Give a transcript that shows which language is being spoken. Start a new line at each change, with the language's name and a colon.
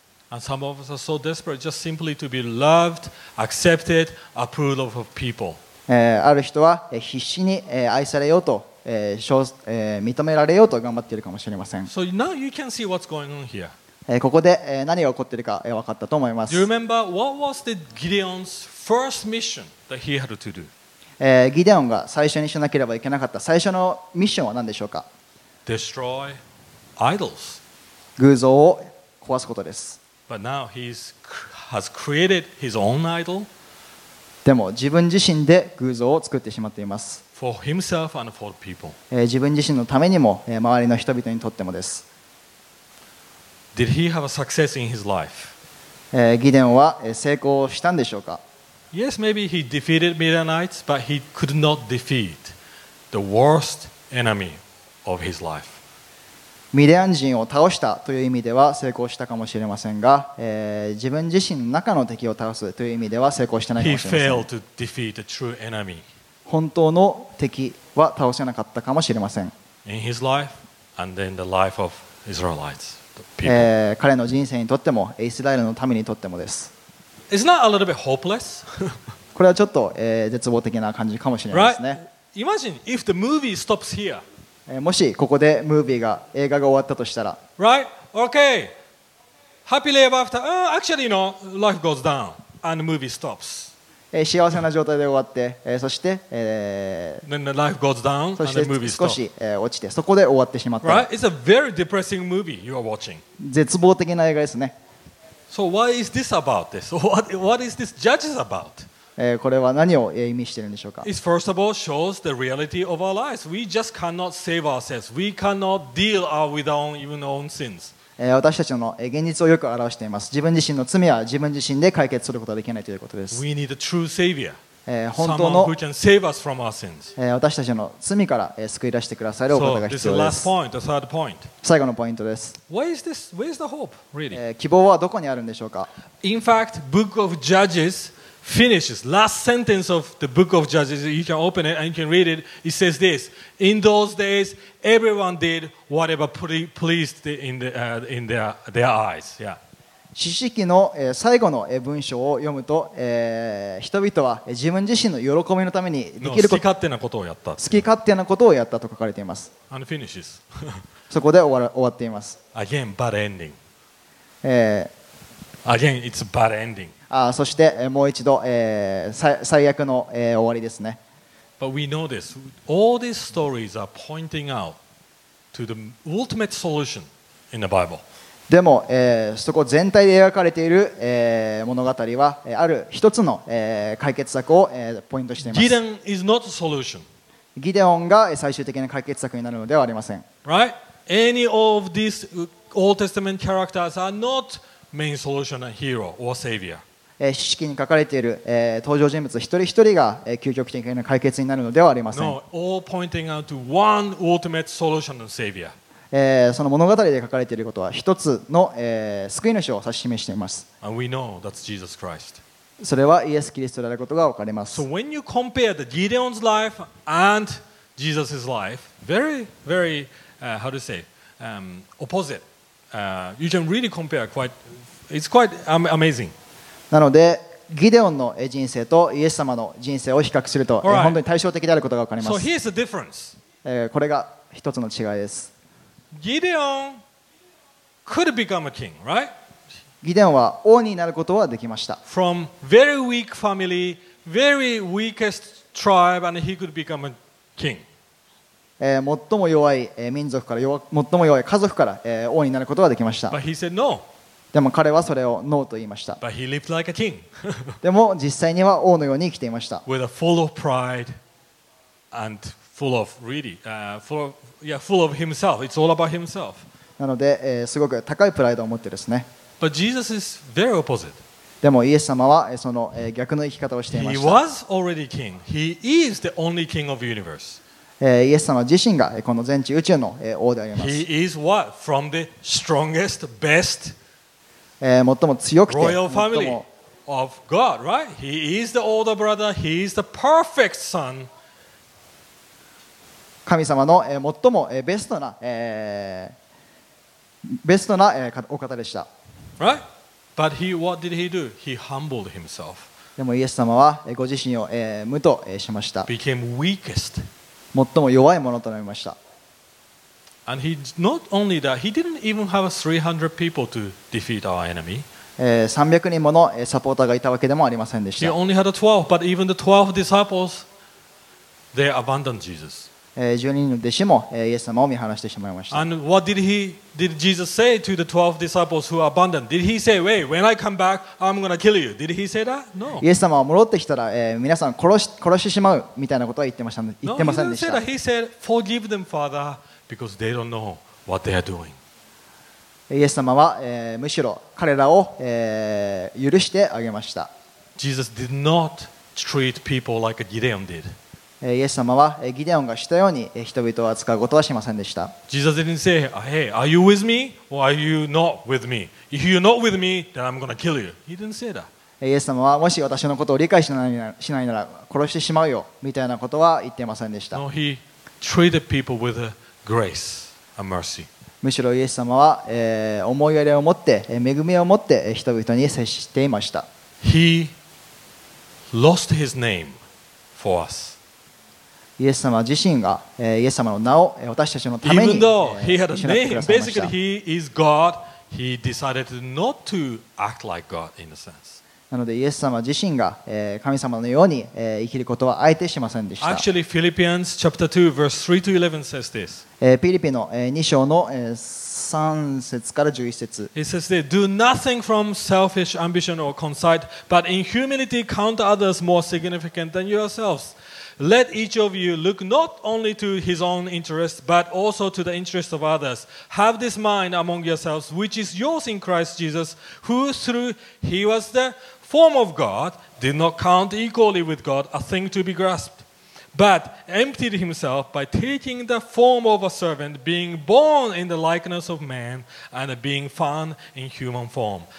English: And some of us are so desperate just simply to be loved, accepted, approved of people.
Japanese: ある人は必死に愛されようと、認められようと頑張っているかもしれません。
English: So now you can see what's going on here.
Japanese: ここで何が起こっているか分かったと思います。
English: Do you remember what was the Gideon's first mission that he had to do?
Japanese: ギデオンが最初にしなければいけなかった最初のミッションは何でしょうか?
English: Destroy idols.
Japanese: 偶像を壊すことです。
English: But now he has created his own idol.
Japanese: でも自分自身で偶像を作ってしまっています。
English: For himself and for people.
Japanese: 自分自身のためにも周りの人々にとってもです。
English: Did he have a success in his life?
Japanese: ギデオンは成功したんでしょうか?
English: Yes, maybe he defeated Midianites, but he could not defeat the worst enemy of his life.
Japanese: ミディアン人を倒したという意味では成功したかもしれませんが、自分自身の中の敵を倒すという意味では成功してないかもしれません。
English: He failed to defeat the true enemy.
Japanese: 本当の敵は倒せなかったかもしれません。
English: In his life and then the life of Israelites, the people.
Japanese: 彼の人生にとってもイスラエルの民にとってもです。
English: It's not a little bit hopeless.
Japanese: これはちょっと、絶望的な感じかもしれませんね。
English: Right? Imagine if the movie stops here.
Japanese: もしここでムービーが映画が終わったとしたら、
English: right? Okay. Happily ever after. Actually, no. Life goes down and the movie stops.
Japanese: 幸せな状態で終わって、そして、
English: then the life goes down and the movie stops.
Japanese: 少し落ちてそこで終わってしまった。
English: Right? It's a very depressing movie you are watching.
Japanese: 絶望的な映画ですね。
English: So why is this about this? What is this judges about?
Japanese: これは何を意味しているんでしょうか。
English: It first of all shows the reality of our lives. We just cannot save ourselves. We cannot deal with our own sins.
Japanese: 私たちの現実をよく表しています。自分自身の罪は自分自身で解決することはできないということです。
English: We need a true savior.
Japanese: 本当の、
English: Someone who can save us from our sins.
Japanese: 私たちの罪から救い出してくださるお方が必要です。
English: So, this is the last point, the third point.
Japanese: 最後のポイントです。
English: Where is this? Where is the hope, really?
Japanese: 希望はどこにあるんでしょうか?
English: In fact, Book of Judges finishes. Last sentence of the Book of Judges, you can open it and you can read it. It says this: In those days, everyone did whatever pleased in their eyes. Yeah.
Japanese: 詩式の最後の文章を読むと、人々は自分自身の喜びのためにできること、好き勝手なことをやった、好き勝手なことをやったと書かれています。
English: And finishes.
Japanese: そこで終わっています。
English: Again, bad ending. Again, it's bad ending.
Japanese: そしてもう一度、最悪の、終わりですね。
English: But we know this. All these stories are pointing out to the ultimate solution in the Bible.
Japanese: でも、そこ全体で描かれている、物語は、ある一つの、解決策を、ポイントしています。
English: Gideon is not a solution.
Japanese: ギデオンが最終的な解決策になるのではありません。
English: Right? Any of these Old Testament characters are not main solution and hero or savior.
Japanese: 詩式に書かれている、登場人物一人一人が、究極的な解決になるのではありません。
English: No, all pointing out to one ultimate solution and savior.
Japanese: その物語で書かれていることは一つの、救い主を指し示しています。
English: And we know that's Jesus Christ.
Japanese: それはイエス・キリストであることが分かります。
English: So when you compare the Gideon's life and Jesus' life, very, very, how to say, opposite, you can really compare quite, it's quite amazing.
Japanese: なのでギデオンの人生とイエス様の人生を比較すると、right. 本当に対照的であることが分かります。
English: So here's the difference.
Japanese: これが一つの違いです。
English: Gideon could become a king, right?
Japanese: ギデオンは王になることはできました。
English: From very weak family, very weakest tribe, and he could become a king.
Japanese: 最も弱い民族から最も弱い家族から王になることはできました。
English: But he said no.
Japanese: でも彼はそれをノーと言いました。
English: But he lived like a king.
Japanese: でも実際には王のように生きていました。
English: With a full of pride and full of really, full of,Yeah, full of himself. It's all about himself.
Japanese: なので、すごく高いプライドを持ってですね。
English: But Jesus is very opposite.
Japanese: でもイエス様はその、逆の生き方をしていました。
English: He was already king. He is the only king of universe.
Japanese: イエス様自身がこの全知宇宙の、王であります。
English: He is what? From the strongest, best,
Japanese: 最も強くて、
English: royal family of God, right? He is the older brother. He is the perfect son.
Japanese: 神様の最もベストな、ベストなお方でした。
English: Right? But he, what did he do? He humbled himself.
Japanese: でもイエス様はご自身を無としました。
English: Became weakest.
Japanese: 最も弱いものとなりました。
English: And he not only that, he didn't even have 300 people to defeat our enemy.
Japanese: 300人ものサポーターがいたわけでもありませんでした。
English: He only had 12, but even the 12 disciples, they abandoned Jesus.
Japanese: 12人の弟子もイエス様を見放してしまいました。
English: And what did Jesus say to the 12 disciples who abandoned? Did he say, "Wait, when I come back, I'm gonna kill you"? Did he say that? No.
Japanese: イエス様は戻ってきたら、皆さん殺してしまうみたいなことは言ってました。言ってませんでした。
English: No, he didn't say that. He said, "Forgive them, Father, because they don't know what they are doing."
Japanese: イエス様は、むしろ彼らを、許してあげました。
English: Jesus did not treat people like Gideon did.
Japanese: イエス様はギデオンがしたように人々を扱うことはしませんでした。
English: Jesus didn't say, "Hey, are you with me or are you not with me? If you're not with me, then I'm gonna kill you." He didn't say that.
Japanese: イエス様はもし私のことを理解しないなら殺してしまうよみたいなことは言ってませんでした。
English: No, he treated people with grace and mercy.
Japanese: むしろイエス様は思いやりを持って恵みを持って人々に接していました。
English: He lost his name for us.
Japanese: イエス様自身がイエス様の名を私たちのために失ってくださいました。
English: Basically, he is God. He decided not to act like God in a sense.
Japanese: なのでイエス様自身が神様のように生きることはあえてしませんでした。
English: Actually, Philippians chapter 2, verse 3 to 11 says this.
Japanese: フィリピの2章の3節から11節。
English: It says this: Do nothing from selfish ambition or conceit, but in humility count others more significant than yourselves. Let each of you look not only to his own interests, but also to the interests of others. Have this mind among yourselves, which is yours in Christ Jesus, who through he was the form of God, did not count equally with God a thing to be grasped, but emptied himself by taking the form of a servant, being born in the likeness of man, and being found in human form.